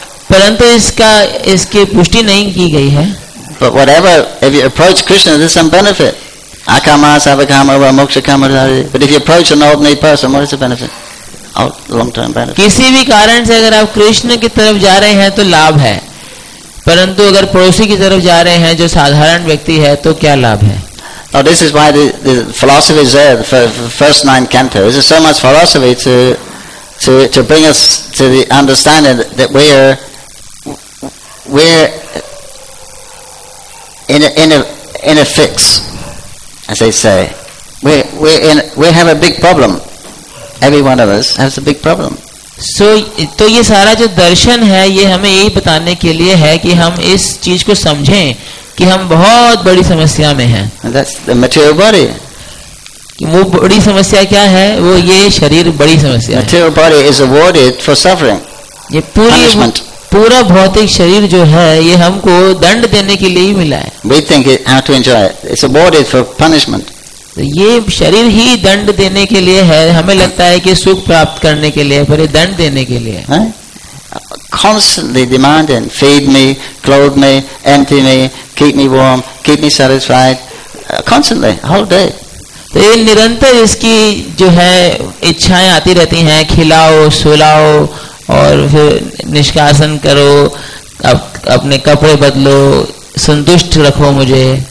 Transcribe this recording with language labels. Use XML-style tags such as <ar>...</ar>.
<hi>परंतु इसकी पुष्टि नहीं की गई है.</hi> <en>But whatever, if you approach Krishna, there's some benefit.</en> <sa>Akama, Savakama, Moksha Kama.</sa> <en>But if you approach an ordinary person, what is the benefit? Long-term benefit.</en> <hi>किसी भी कारण से अगर आप कृष्ण की तरफ जा रहे हैं तो लाभ है. परंतु अगर पड़ोसी की तरफ जा रहे हैं जो साधारण व्यक्ति है तो क्या लाभ है?</hi> <en>Now this is why the philosophy is there, the first nine cantos. There's so much philosophy to bring us to the understanding that we're in a fix, as they say. We have a big problem. Every one of us has a big problem.</en> <hi>So ये सारा जो दर्शन है ये हमें यही बताने के लिए है कि हम इस चीज को समझें कि हम बहुत बड़ी समस्या में हैं.</hi> <en>And that's the material body.</en> <hi>कि वो बड़ी समस्या क्या है? वो ये शरीर बड़ी समस्या.</hi> <en>Material body is awarded for suffering.</en> <hi>ये पूरा भौतिक शरीर जो है ये हमको दंड देने के लिए ही मिला है.</hi> <en>We think it how to enjoy it. It's a body for punishment.</en> <hi>ये शरीर ही दंड देने के लिए है. हमें लगता है कि सुख प्राप्त करने के लिए, पर ये दंड देने के लिए है.</hi> <en>Constantly demanding, feed me, clothe me, empty me, keep me warm, keep me satisfied. Constantly, all day.</en> <hi>तो ये निरंतर इसकी जो है इच्छाएं आती रहती हैं, खिलाओ, सुलाओ और फिर निष्कासन करो, अपने कपड़े बदलो, संतुष्ट रखो मुझे.</hi>